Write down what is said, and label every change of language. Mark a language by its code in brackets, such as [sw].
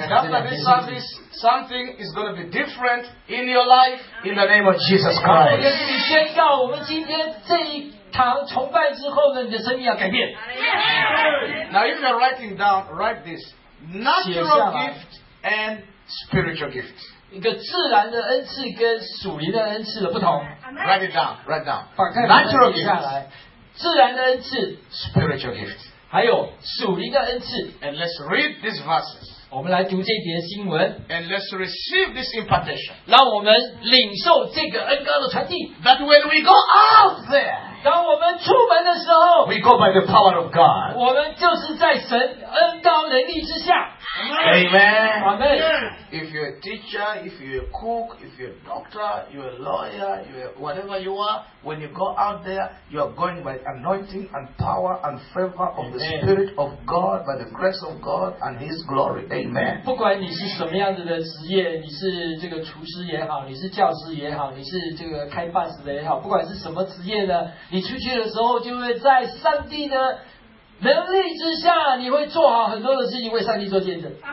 [en] Something is going to be different in your life in the name of Jesus Christ. [zh] 我也跟你宣告，我们今天这一 [en] Now, if you're writing down, write this: natural gift and spiritual gift. [zh] 一个自然的恩赐跟属灵的恩赐的不同. [en] Write it down. Write down. Natural gift. [zh] 自然的恩赐. [en] Spiritual gift. [zh] 还有属灵的恩赐. [en] And let's read these verses. [zh] 我们来读这节经文. [en] And let's receive this impartation. [zh] 让我们领受这个恩膏的传递. [en] That when we go out there. [zh] 当我们出门的时候, [en] we go by the power of God. [zh] 我们就是在神恩膏能力之下. [en] Amen. Amen. If you're a teacher, if you're a cook, if you're a doctor, you're a lawyer, you're whatever you are, when you go out there, you are going by anointing and power and favor of Amen. The Spirit of God, by the grace of God and His glory. Amen. [zh] 不管你是什么样子的职业，你是这个厨师也好，你是教师也好，你是这个开巴士的也好，不管是什么职业呢？你出去的时候，就会在上帝的能力之下，你会做好很多的事情，为上帝做见证。